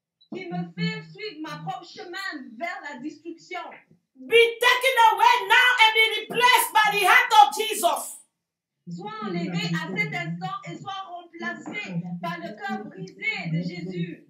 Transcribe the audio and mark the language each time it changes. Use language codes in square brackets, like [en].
[fr] Qui me fait suivre ma propre chemin vers la destruction. [en] Be taken away now and be replaced by the heart of Jesus. [fr] Sois enlevé à cet instant et sois remplacé par le cœur brisé de Jésus.